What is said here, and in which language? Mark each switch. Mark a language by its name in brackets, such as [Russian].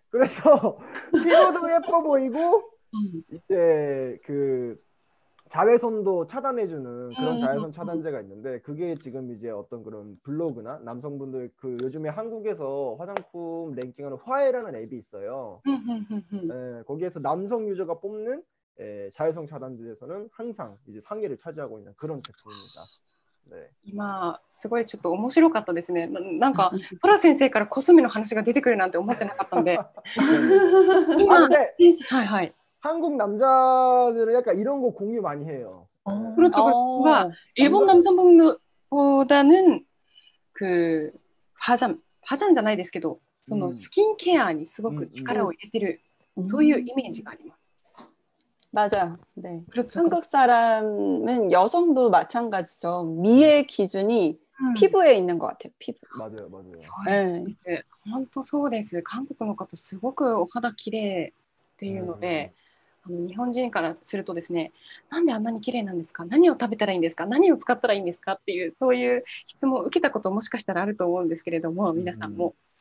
[Korean] 그래서 피부도 예뻐 보이고 이제 그 자외선도 차단해주는 그런 자외선 차단제가 있는데, 그게 지금 이제 어떤 그런 블로그나 남성분들 그 요즘에 한국에서 화장품 랭킹하는 화해라는 앱이 있어요. 거기에서 남성 유저가 뽑는 자외선 차단제에서는 항상 이제 상위를 차지하고 있는 그런 제품입니다. [Japanese] 今、すごいちょっと面白かったですね。なんか、プラ先生からコスメの話が出てくるなんて思ってなかったんで。あ、今、 [Korean] で、한국 남자들은 약간 이런 거 공유 많이 해요. 그렇죠. 뭔가, 일본 남성분보다는 그, 화장 [Japanese] じゃないですけど、そのスキンケアにすごく力を入れてる、そういうイメージがあります。 [Korean] 맞아. 네. 그렇죠. 한국 사람은 여성도 마찬가지죠. 미의 기준이 피부에있는것같아요피부 맞아요맞아요 네 [Japanese] 本当そうです韓国の方すごくお肌綺麗っていうので日本人からするとですね、なんであんなに綺麗なんですか？何を食べたらいいんですか？何を使ったらいいんですか？っていう、そういう質問を受けたこともしかしたらあると思うんですけれども、皆さんも。